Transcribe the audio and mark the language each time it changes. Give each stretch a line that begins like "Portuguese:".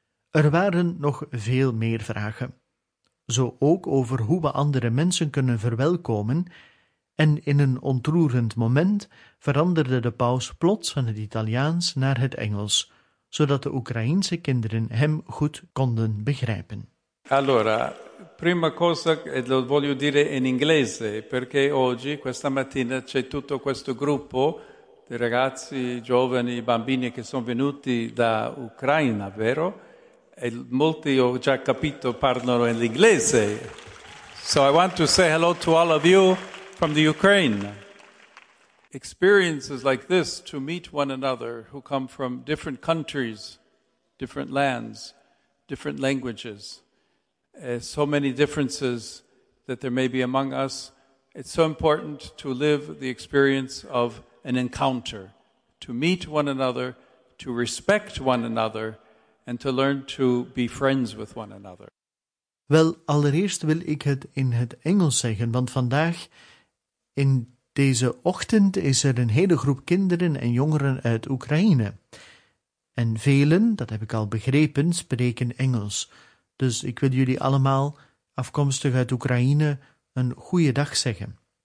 Dutch: Er waren nog veel meer vragen, zo ook over hoe we andere mensen kunnen verwelkomen, en in een ontroerend moment veranderde de paus plots van het Italiaans naar het Engels, zodat de Oekraïense kinderen hem goed konden begrijpen.
Italian: Allora, prima cosa lo voglio dire in inglese, perché oggi, questa mattina, c'è tutto questo gruppo di ragazzi, giovani, bambini che sono venuti da Ucraina, vero? E molti, ho già capito, parlano in inglese.
English: So I want to say hello to all of you from the Ukraine. Experiences like this, to meet one another who come from different countries, different lands, different languages, so many differences that there may be among us, it's so important to live the experience of an encounter, to meet one another, to respect one another, and to learn to be friends with one another.
Dutch: Wel, allereerst wil ik het in het Engels zeggen, want vandaag, in deze ochtend, is er een hele groep kinderen en jongeren uit Oekraïne. En velen, dat heb ik al begrepen, spreken Engels. Dus ik wil jullie allemaal, afkomstig uit Oekraïne, een goede dag zeggen.